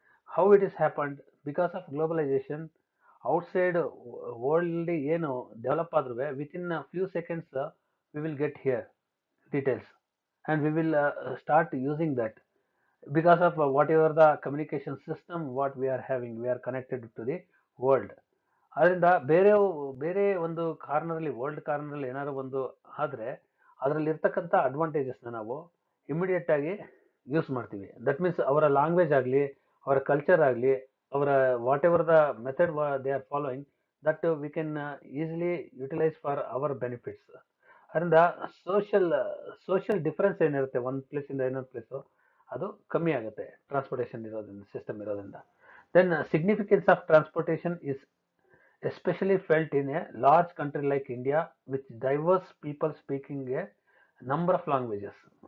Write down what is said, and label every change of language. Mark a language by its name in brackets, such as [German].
[English] How it is happened because of globalisation. Outside ವರ್ಲ್ಡಲ್ಲಿ [Kannada] ಏನು develop ಆದ್ರೂ [English] Within few seconds we will get here details and we will start using that because of whatever the communication system what we are having we are connected to the world. [Kannada] ಅದರಿಂದ ಬೇರೆ ಒಂದು ಕಾರ್ನರಲ್ಲಿ, world ಕಾರ್ನರಲ್ಲಿ ಏನಾದರೂ ಒಂದು ಆದರೆ ಅದರಲ್ಲಿರ್ತಕ್ಕಂಥ ಅಡ್ವಾಂಟೇಜಸ್ನ ನಾವು immediate ಆಗಿ use ಮಾಡ್ತೀವಿ. [English] that means [Kannada] ಅವರ ಲ್ಯಾಂಗ್ವೇಜ್ ಆಗಲಿ, ಅವರ ಕಲ್ಚರ್ ಆಗಲಿ, [English] whatever the method they are following, that we can easily utilize for our benefits. [Kannada] ಅದರಿಂದ ಸೋಷಿಯಲ್ ಡಿಫ್ರೆನ್ಸ್ ಏನಿರುತ್ತೆ ಒಂದು ಪ್ಲೇಸ್ ಇಂದ ಇನ್ನೊಂದು ಪ್ಲೇಸು ಅದು ಕಮ್ಮಿ ಆಗುತ್ತೆ ಟ್ರಾನ್ಸ್ಪೋರ್ಟೇಷನ್ ಇರೋದ್ರಿಂದ ಸಿಸ್ಟಮ್ ಇರೋದ್ರಿಂದ. [English] Then significance of transportation is especially felt in a large country like India which diverse people speaking a number of languages.